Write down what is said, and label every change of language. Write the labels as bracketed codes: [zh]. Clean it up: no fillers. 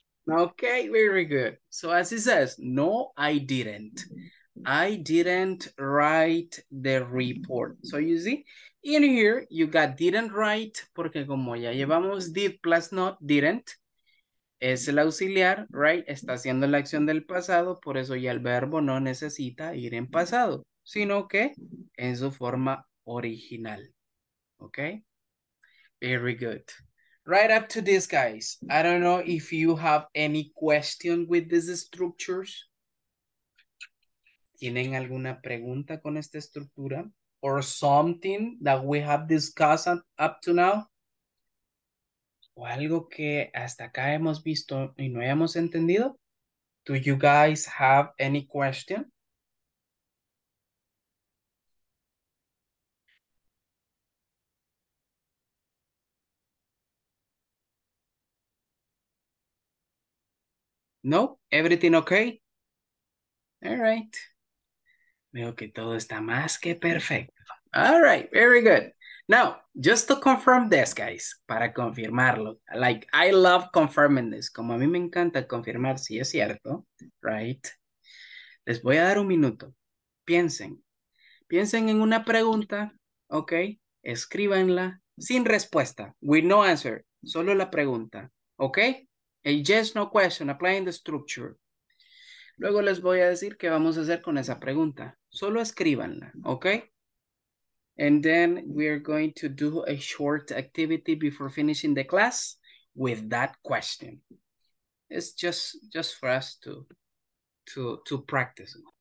[en] Okay, very good. So as he says, no, I didn't. I didn't write the report. So you see, in here, you got didn't write, [es] porque como ya llevamos did plus not, didn't, es el auxiliar, [en] right? [es] Está haciendo la acción del pasado, por eso ya el verbo no necesita ir en pasado, sino que en su forma original. [en] Okay? Very good. Right up to this, guys. I don't know if you have any question with these structures. [es] ¿Tienen alguna pregunta con esta estructura? [en] Or something that we have discussed up to now? [es] ¿O algo que hasta acá hemos visto y no hayamos entendido? [en] Do you guys have any question? No, everything okay? All right. [es] Veo que todo está más que perfecto. [en] All right, very good. Now, just to confirm this, guys, [es] para confirmarlo, [en] like, I love confirming this, [es] como a mí me encanta confirmar si es cierto, [en] right? [es] Les voy a dar un minuto. Piensen en una pregunta, okay? Escríbanla sin respuesta, [en] with no answer, [es] solo la pregunta, okay? [en] A yes, no question, applying the structure. [es] Luego les voy a decir qué vamos a hacer con esa pregunta. Solo escríbanla, okay? [en] And then we are going to do a short activity before finishing the class with that question. It's just for us to practice.